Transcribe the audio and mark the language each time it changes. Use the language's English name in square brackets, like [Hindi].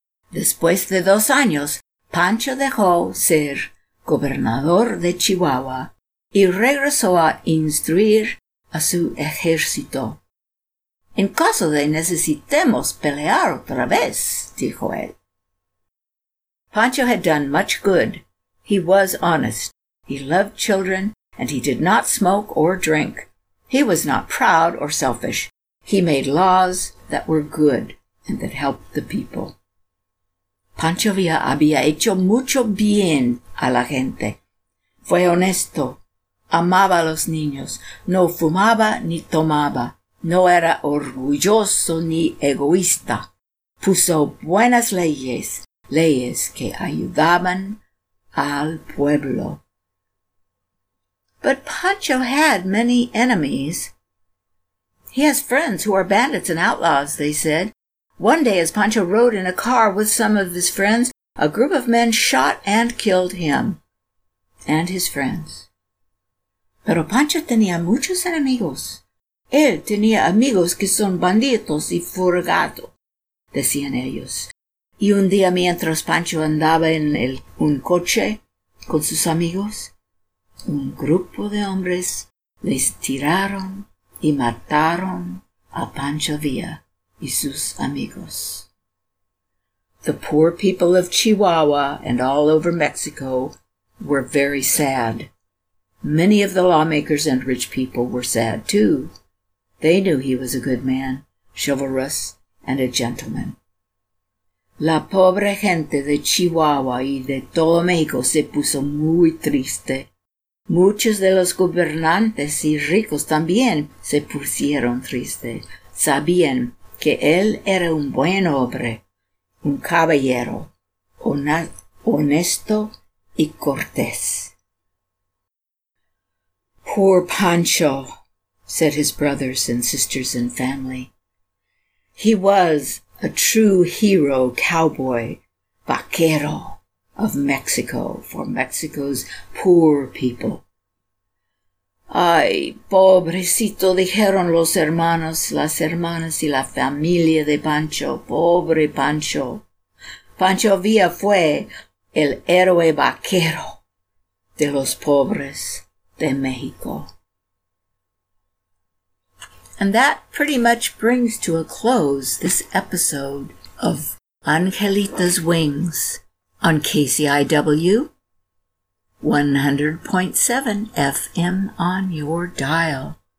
[Spanish] Después de 2 años, Pancho dejó ser gobernador de Chihuahua y regresó a instruir a su ejército. En caso de necesitemos pelear otra vez, dijo él. [English] Pancho had done much good. He was honest. He loved children, and he did not smoke or drink. He was not proud or selfish. He made laws that were good and that helped the people. [Spanish] Pancho Villa había hecho mucho bien a la gente. Fue honesto. Amaba a los niños. No fumaba ni tomaba. No era orgulloso ni egoísta. Puso buenas leyes, leyes que ayudaban al pueblo. [English] But Pancho had many enemies. He has friends who are bandits and outlaws, they said. One day, as Pancho rode in a car with some of his friends, a group of men shot and killed him and his friends. [Spanish] Pero Pancho tenía muchos enemigos. Él tenía amigos que son banditos y furgados, decían ellos. Y un día, mientras Pancho andaba en un coche con sus amigos, un grupo de hombres les tiraron y mataron a Pancho Villa y sus amigos. [English] The poor people of Chihuahua and all over Mexico were very sad. Many of the lawmakers and rich people were sad, too. They knew he was a good man, chivalrous, and a gentleman. [Spanish] La pobre gente de Chihuahua y de todo México se puso muy triste. Muchos de los gobernantes y ricos también se pusieron tristes. Sabían que él era un buen hombre, un caballero, honesto y cortés. [English] Poor Pancho, said his brothers and sisters and family. He was a true hero, cowboy, vaquero of Mexico, for Mexico's poor people. [Spanish] Ay, pobrecito, dijeron los hermanos, las hermanas y la familia de Pancho, pobre Pancho. Pancho Villa fue el héroe vaquero de los pobres de México. [English] And that pretty much brings to a close this episode of Angelita's Wings on KCIW. 100.7 FM on your dial.